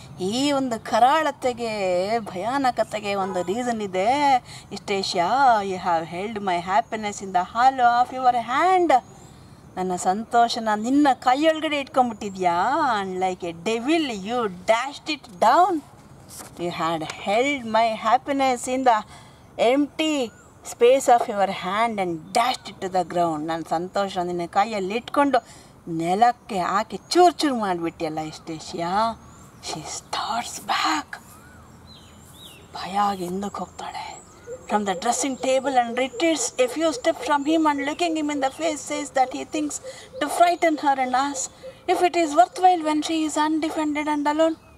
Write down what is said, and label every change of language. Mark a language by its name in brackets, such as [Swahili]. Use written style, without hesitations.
[Kannada] ಈ ಒಂದು ಕರಾಳತೆಗೆ, ಭಯಾನಕತೆಗೆ ಒಂದು ರೀಸನ್ ಇದೆ. [English] ಇಸ್ಟೇಷ್ಯಾ, you have held my happiness in the hollow of your hand. [Kannada] ನನ್ನ ಸಂತೋಷನ ನಿನ್ನ ಕೈಯೊಳಗಡೆ ಇಟ್ಕೊಂಬಿಟ್ಟಿದ್ಯಾ? [English] And like a devil you dashed it down. You had held my happiness in the empty space of your hand and dashed it to the ground. [Kannada] ನನ್ನ ಸಂತೋಷ ನಿನ್ನ ಕೈಯಲ್ಲಿ ಇಟ್ಕೊಂಡು ನೆಲಕ್ಕೆ ಹಾಕಿ ಚೂರು ಚೂರು ಮಾಡಿಬಿಟ್ಟಿಯಲ್ಲ ಇಷ್ಟೇಷ್ಯಾ. [English] she starts back, [Kannada] ಭಯ ಆಗಿ ಹಿಂದಕ್ಕೆ ಹೋಗ್ತಾಳೆ. [English] From the dressing table and retreats a few step from him and looking him in the face says that he thinks to frighten her and as if it is worth while when she is undefended and alone.